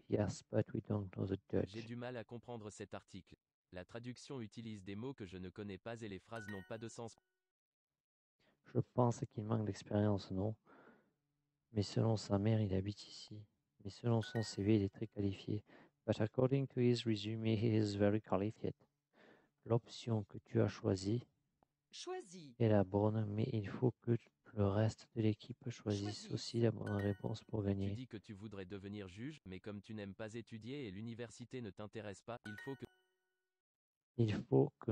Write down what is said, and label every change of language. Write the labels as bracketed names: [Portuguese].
[English] Yes, but we don't know the judge. [French] J'ai du mal à comprendre cet article. La traduction utilise des mots que je ne connais pas et les phrases n'ont pas de sens. Je pense qu'il manque d'expérience, non? Mais selon sa mère, il habite ici. Mais selon son CV, il est très qualifié. [English] But according to his resume, he is very qualified. [French] L'option que tu as choisie est la bonne, mais il faut que le reste de l'équipe choisisse aussi la bonne réponse pour gagner. Tu dis que tu voudrais devenir juge, mais comme tu n'aimes pas étudier et l'université ne t'intéresse pas, il faut que